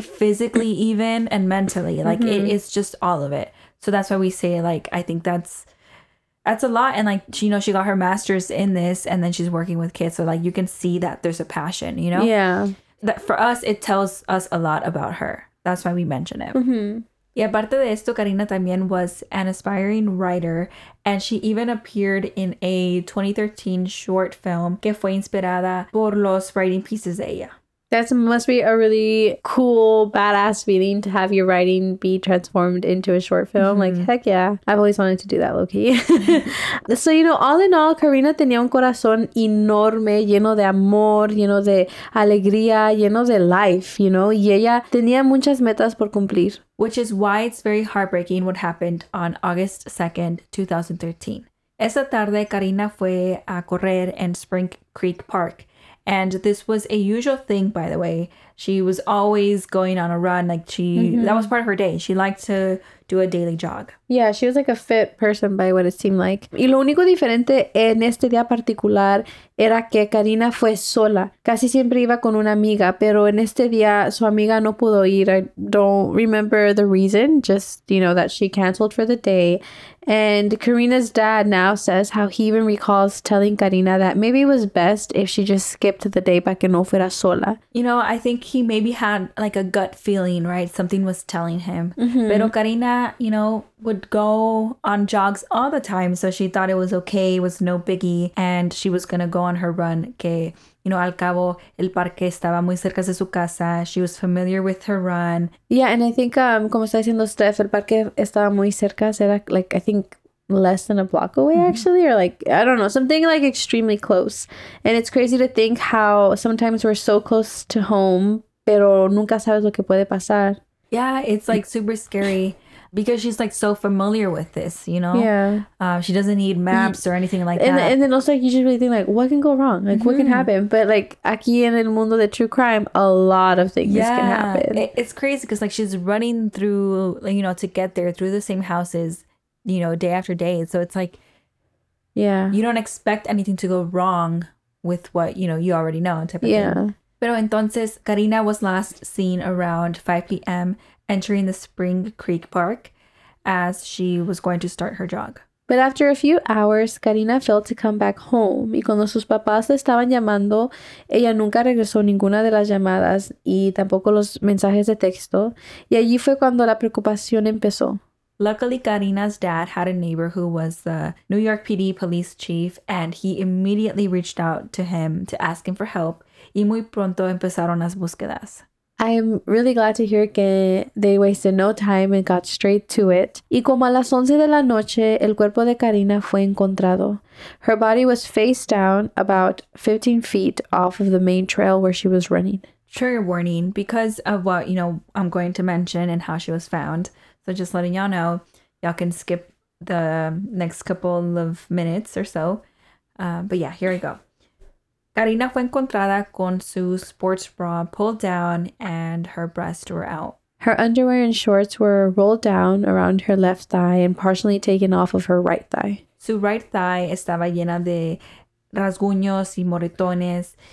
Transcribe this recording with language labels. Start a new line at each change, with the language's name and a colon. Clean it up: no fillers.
English: physically even, and mentally. Like, mm-hmm. it's just all of it. So that's why we say, like, I think that's a lot. And like, she, you know, she got her master's in this and then she's working with kids. So like, you can see that there's a passion, you know? Yeah. That for us, it tells us a lot about her. That's why we mention it. Mm-hmm.
Spanish: Y aparte de esto,
English: Karina
Spanish: también
English: was an aspiring writer, and she even appeared in a 2013 short film
Spanish: que fue inspirada por los
English: writing pieces
Spanish: de ella.
English: That must be a really cool, badass feeling to have your writing be transformed into a short film. Mm-hmm. Like, heck yeah. I've always wanted to do that, low-key. So, you know, all in all,
Spanish: Karina tenía un corazón enorme, lleno de amor, lleno de alegría, lleno de
English: life, you know?
Spanish: Y ella tenía muchas metas por cumplir.
English: Which is why it's very heartbreaking what happened on August 2nd, 2013.
Spanish: Esa tarde, Karina fue a correr en Spring Creek Park.
English: And this was a usual thing, by the way. She was always going on a run. Like, she, mm-hmm. that was part of her day. She liked to do a daily jog. Yeah, she was like a fit person by what it seemed like.
Spanish: Y lo único diferente en este día particular era que Karina fue sola. Casi siempre iba con una amiga, pero en este día su amiga no pudo ir.
English: I don't remember the reason, just, you know, that she canceled for the day. And Karina's dad now says how he even recalls telling Karina that maybe it was best if she just skipped the day
Spanish: para que no fuera sola.
English: You know, I think he maybe had like a gut feeling, right? Something was telling him. Mm-hmm.
Spanish: Pero
English: Karina, you know, would go on jogs all the time. So she thought it was okay. It was no biggie. And she was going to go on her run.
Spanish: Que,
English: you know,
Spanish: al cabo, el parque estaba muy cerca de su casa.
English: She was familiar with her run. Yeah, and I think,
Spanish: como está diciendo Steph, el parque estaba muy cerca. Será,
English: like, I think less than a block away, actually, or like, I don't know, something like extremely close. And it's crazy to think how sometimes we're so close to home,
Spanish: pero nunca sabes lo que puede pasar.
English: Yeah, it's like super scary because she's like so familiar with this, you know? Yeah. She doesn't need maps or anything like that. And then also, like, you just really think, like, what can go wrong? Like, what can happen? But like,
Spanish: aquí en el mundo de
English: true crime, a lot of things can happen. It's crazy because like she's running through, you know, to get there through the same houses, you know, day after day. So it's like, yeah, you don't expect anything to go wrong with what, you know, you already know type of thing. Yeah.
Spanish: Pero entonces,
English: Karina was last seen around 5 p.m. entering the Spring Creek Park as she was going to start her jog. But after a few hours, Karina failed to come back home.
Spanish: Y cuando sus papás le estaban llamando, ella nunca regresó ninguna de las llamadas y tampoco los mensajes de texto. Y allí fue cuando la preocupación empezó.
English: Luckily, Karina's dad had a neighbor who was the New York PD police chief, and he immediately reached out to him to ask him for help.
Spanish: Y muy pronto empezaron las búsquedas.
English: I am really glad to hear
Spanish: que
English: they wasted no time and got straight to it.
Spanish: Y como a las 11 de la noche, el cuerpo de Karina fue encontrado.
English: Her body was face down about 15 feet off of the main trail where she was running. Trigger warning, because of what, you know, I'm going to mention and how she was found. So just letting y'all know, y'all can skip the next couple of minutes or so. But yeah, here we go.
Spanish: Karina fue encontrada con su
English: sports bra pulled down and her breasts were out. Her underwear and shorts were rolled down around her left thigh and partially taken off of her right thigh.
Spanish: Su
English: right thigh
Spanish: estaba llena de rasguños y moretones.